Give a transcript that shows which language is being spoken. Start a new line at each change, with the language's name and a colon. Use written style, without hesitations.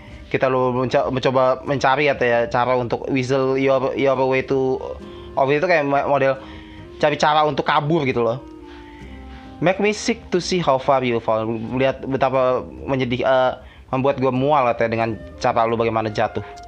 Indonesian: Kita lu mencoba mencari atau ya cara untuk
English: whistle your way to of it,
Indonesian: itu kayak model cari cara untuk kabur gitu loh.
English: Make me sick to see how far you fall.
Indonesian: Lihat betapa menyedih membuat gua mual atau ya, dengan cara lu bagaimana jatuh.